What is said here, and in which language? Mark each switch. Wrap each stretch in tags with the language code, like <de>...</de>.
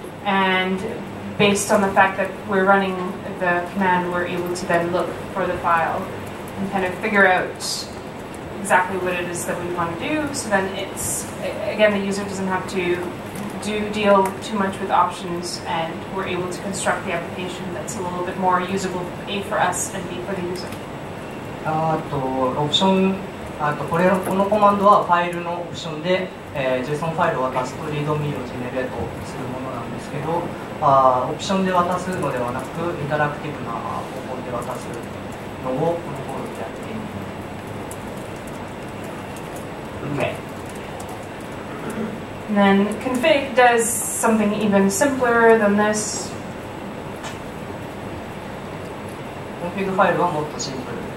<en>And based on the fact that we're running the command, we're able to then look for the file and kind of figure out exactly what it is that we want to do. So then it's, again, the user doesn't have to deal too much with options, and we're able to construct the application that's a little bit more usable, A, for us, and B, for the user.</en> <ja>このコマンドはファイルのオプションで、JSON ファイルを渡すと readme をジェネレートするものなんですけど、オプションで渡すのではなく、インタラクティブな方法で渡すのをこのコードでやっています。</ja> <en>Okay. And then config does something even simpler than this. Config file is more simple.</en>